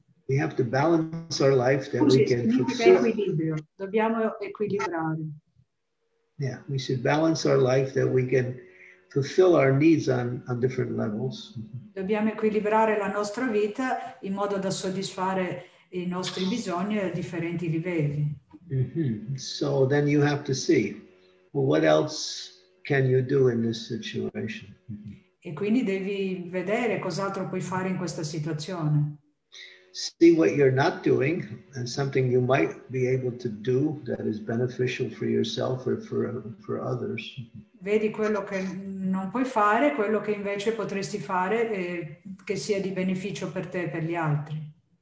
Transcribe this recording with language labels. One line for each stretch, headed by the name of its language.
English: We have to balance our life that we can fulfill. Yeah, we should balance our life that we can fulfill our needs on different levels.
Italian: Dobbiamo equilibrare la nostra vita in modo da soddisfare i nostri bisogni a differenti livelli.
English: So then you have to see, well, what else can you do in this situation?
Italian: E quindi devi vedere cos'altro puoi fare in questa situazione.
English: See what you're not doing and something you might be able to do that is beneficial for yourself or for others.
Italian: Vedi quello che non puoi fare, quello che invece potresti fare che sia di beneficio per te e per gli altri.